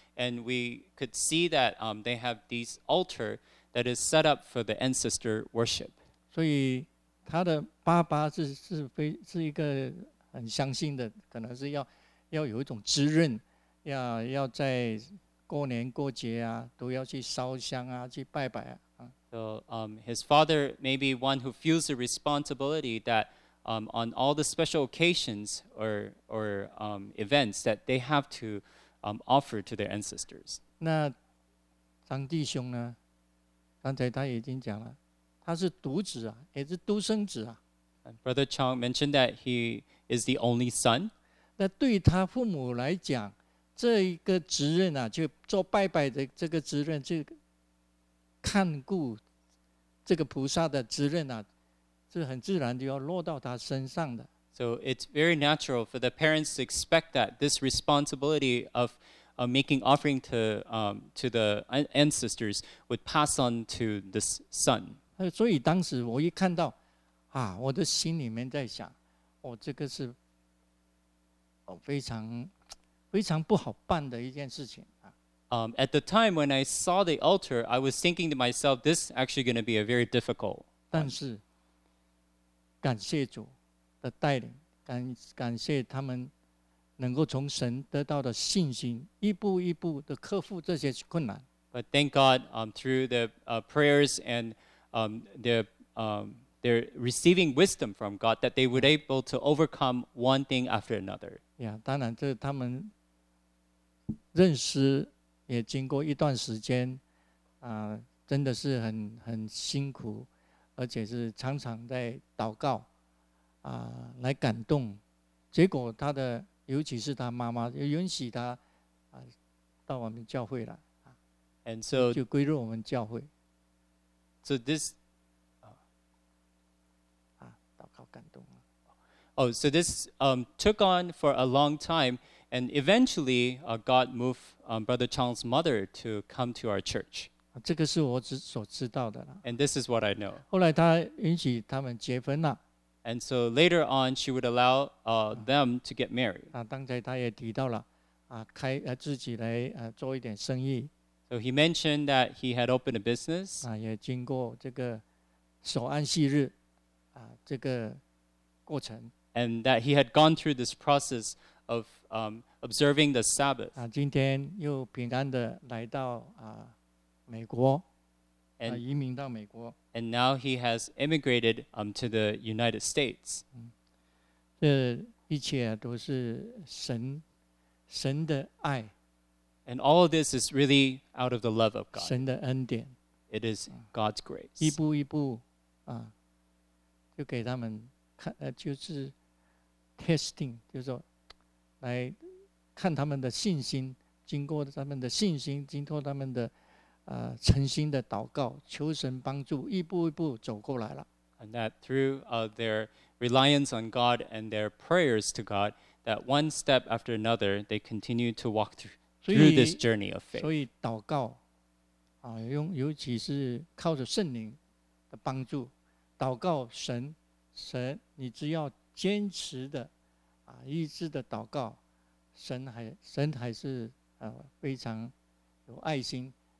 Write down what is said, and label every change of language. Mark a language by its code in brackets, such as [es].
[en] And we could see that they have this altar that is set up for the ancestor worship. [zh] 所以他的爸爸是一个很相信的，可能是要有一种滋润，要在过年过节啊，都要去烧香啊，去拜拜啊。 [en] So his father may be one who feels the responsibility that on all the special occasions or events that they have to offer to their ancestors. [zh] 那张弟兄呢，刚才他已经讲了，他是独子啊，也是独生子啊。 [en] Brother Chong mentioned that he is the only son. [zh] 那对他父母来讲，这一个责任啊，就做拜拜的这个责任，就看顾这个菩萨的责任啊，是很自然就要落到他身上的。 [en] So it's very natural for the parents to expect that this responsibility of making offering to the ancestors would pass on to this son. [zh] 所以当时我一看到啊，我的心里面在想，我这个是非常非常不好办的一件事情啊。 [en] At the time when I saw the altar, I was thinking to myself, this is actually going to be a very difficult. [zh] 但是感谢主的带领，感谢他们能够从神得到的信心，一步一步的克服这些困难。 [en] But thank God, through the prayers and their receiving wisdom from God, that they were able to overcome one thing after another. Yeah, [zh] 当然这他们认识也经过一段时间，真的是很辛苦，而且是常常在祷告来感动。结果他的尤其是他妈妈允许他到我们教会来， [en] and so [zh] 就归入我们教会。 [en] So this [zh] 祷告感动了。 [en] Oh, so this took on for a long time, and eventually God moved Brother Chong's mother to come to our church. [zh] 这个是我所知道的了。 [en] And this is what I know. [zh] 后来他允许他们结婚了。 [en] And so later on, she would allow them to get married. [zh] 刚才他也提到了，自己来做一点生意。 [en] So he mentioned that he had opened a business. [zh] 也经过这个守安息日这个过程。 [en] And that he had gone through this process of observing the Sabbath. [zh] 今天又平安的来到美国。 [en] And, [zh] 移民到美国。 [en] And now he has immigrated to the United States. [zh] 这一切都是神的爱。 [en] And all of this is really out of the love of God. [zh] 神的恩典。 [en] It is God's grace. [zh] 一步一步就给他们看就是 testing, 就是说来看他们的信心，经过他们的信心，经过他们的诚心的祷告，求神帮助，一步一步走过来了。 [en] And that through their reliance on God and their prayers to God, that one step after another, they continue to walk through this journey of faith. [zh] 所以祷告尤其是靠着圣灵的帮助，祷告神，你只要坚持的一直的祷告，神还是非常有爱心。